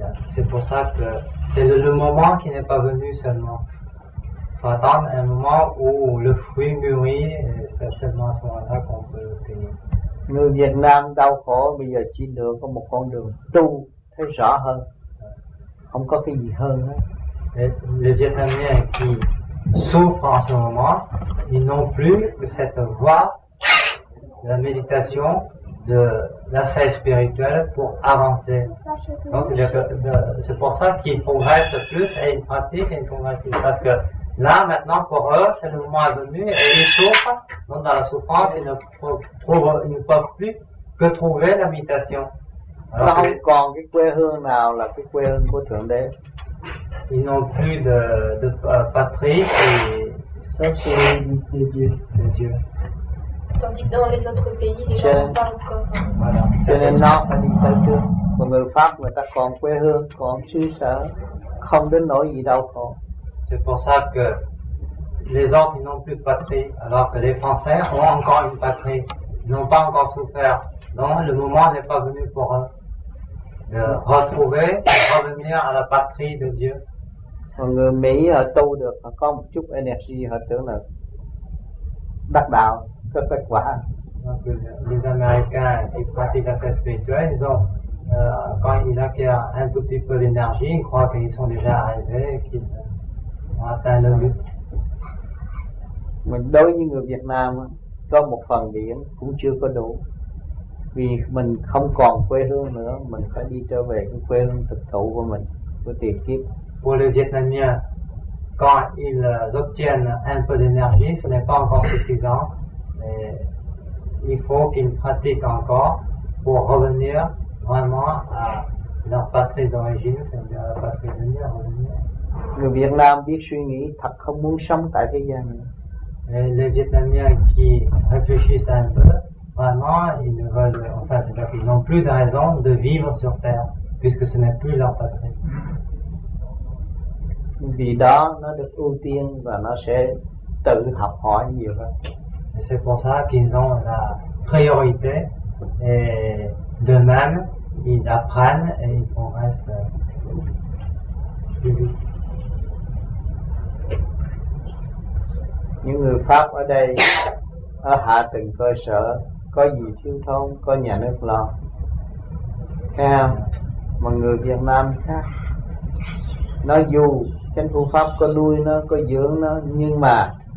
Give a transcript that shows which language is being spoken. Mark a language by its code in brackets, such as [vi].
[fr] C'est pour ça que c'est le moment qui n'est pas venu seulement. Il faut attendre un moment où le fruit mûrit et c'est seulement à ce moment-là qu'on peut l'obtenir. [vi] Nous, Vietnam, đau khổ, bây giờ chỉ được có một con đường tu thấy rõ hơn. Không có cái gì hơn hết. [fr] Les Vietnamiens qui souffrent en ce moment, ils n'ont plus que cette voie de la méditation, de l'assaise spirituelle pour avancer. Donc c'est-à-dire que c'est pour ça qu'ils progressent plus et ils pratiquent et ils progressent plus. Parce que là, maintenant, pour eux, c'est le moment venu et ils souffrent. Donc dans la souffrance, ils ne peuvent plus que trouver la méditation. Okay. [vi] Là, không còn cái quê hương nào là cái quê hương của Thượng Đế. [fr] Ils n'ont plus de patrie et ça c'est de Dieu. De Dieu. Tandis que dans les autres pays, les gens n'ont pas encore. Voilà. C'est là, c'est une dictature. [vi] Pour người Pháp, người ta còn quê hương, còn xứ sở, không đến nỗi gì đâu còn. [fr] C'est pour ça que les autres n'ont plus de patrie, alors que les Français ont encore une patrie. Ils n'ont pas encore souffert. Donc le moment n'est pas venu pour eux de retrouver, de revenir à la patrie de Dieu. [vi] Người Mỹ họ tu được, họ có một chút energy, họ tưởng là đắc đạo, có kết quả. [fr] Les Américains qui pratiquent l'assez spirituel, ils ont, quand ils acquièrent un tout petit peu d'énergie, ils croient qu'ils sont déjà arrivés et qu'ils ont atteint le but. [vi] Mais đối với người Việt Nam, có một phần điểm cũng chưa có đủ. Vì mình không còn quê hương nữa, mình phải đi trở về cái quê hương thực thụ của mình, của tiền kiếp. [fr] Pour les Vietnamiens, quand ils obtiennent un peu d'énergie, ce n'est pas encore suffisant, mais il faut qu'ils pratiquent encore pour revenir vraiment à leur patrie d'origine, c'est-à-dire à la patrie de Dieu, à revenir. [vi] Người Việt Nam biết suy nghĩ thật không muốn sống tại thế gian nữa. [fr] Et les Vietnamiens qui réfléchissent un peu, vraiment, ils ne veulent, enfin, c'est-à-dire qu'ils n'ont plus de raison de vivre sur Terre, puisque ce n'est plus leur patrie. [vi] Vì đó, nó được ưu tiên và nó sẽ tự học hỏi nhiều hơn. [fr] Et c'est pour ça qu'ils ont la priorité, et de même, ils apprennent et ils progressent plus vite. [vi] Những người Pháp ở đây, ở hạ tầng cơ sở, có gì thiếu thốn, có nhà nước lo. Thấy không? Mà người Việt Nam khác. Nó dù trên phương pháp có nuôi nó, có dưỡng nó, nhưng mà